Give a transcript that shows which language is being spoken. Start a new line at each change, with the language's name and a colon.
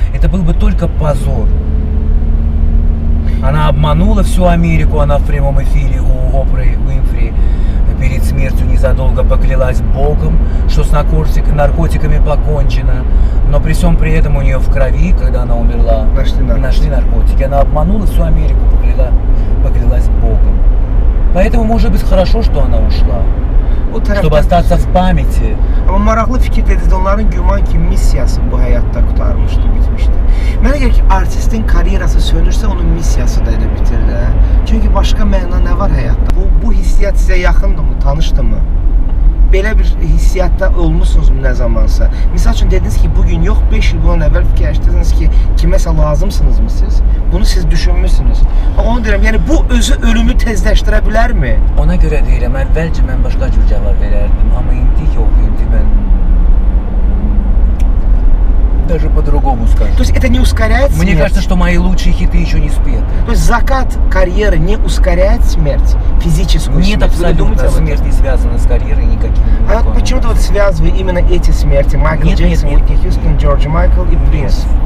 Russian: Это был бы только позор. Она обманула всю Америку, она в прямом эфире у Опры Уинфри перед смертью незадолго поклялась Богом, что с наркотиками покончено. Но при всем при этом у нее в крови, когда она умерла, нашли наркотики. Она обманула всю Америку, поклялась. покрылась Богом. Поэтому, может быть, хорошо, что она ушла. Чтобы остаться в памяти.
Azerbaijani: Ama maraqlı fikir dedi, onların güman ki missiyası bu hayatta kurtarmıştı, bitmişti. Mənə görə ki, artistin karyerası sönürsə onun missiyası da elə bitirir. Çünki başqa məna nə var həyatda? Bu hissiyat sizə yaxındırmı, tanışdırmı? Belə bir hissiyatda olmuşsunuzmu nə zamansa? Misal üçün dediniz ki, bugün yox, 5 il bundan əvvəl fikirləşdiniz ki, kiməsə lazımsınızmı siz? Bunu siz düşünmüşsünüz. Onu deyirəm, yəni bu özü ölümü tezləşdirə bilərmi? Ona görə deyirəm, əvvəlcə mən başqa cür cavab verərdim, amma indi yox, indi mən...
Russian: Даже по-другому скажу. То есть это не ускоряет смерть? Мне кажется, что мои лучшие хиты еще не спеты. То есть закат карьеры не ускоряет смерть? Физическую нет, смерть? Нет, абсолютно. Смерть не связана с карьерой никаким. А почему ты вот связываешь именно эти смерти? Майкл Джейсон, Уитни Хьюстон, Джордж Майкл и Принс?